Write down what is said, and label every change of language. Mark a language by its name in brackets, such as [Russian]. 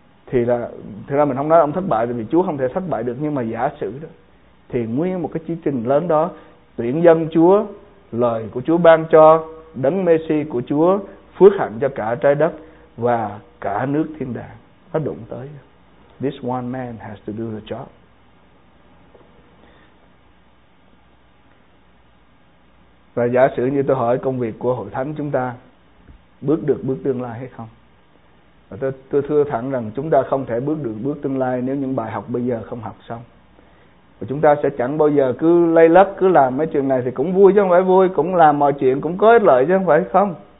[Vietnamese] thì là thực ra mình không nói ông thất bại vì Chúa không thể thất bại được, nhưng mà giả sử đó, thì nguyên một cái chương trình lớn đó, tuyển dân Chúa, lời của Chúa ban cho, đấng Messi của Chúa phước hạnh cho cả trái đất và cả nước thiên đàng, nó đụng tới. [English] This one man has to do the job. [Vietnamese] Và giả sử như tôi hỏi công việc của hội thánh chúng ta bước được bước tương lai hay không? Và tôi thưa thẳng rằng chúng ta không thể bước được bước tương lai nếu những bài học bây giờ không học xong. Và chúng ta sẽ chẳng bao giờ cứ lay lắt, cứ làm mấy chuyện này thì cũng vui chứ không phải vui, cũng làm mọi chuyện cũng có ích lợi chứ không phải không.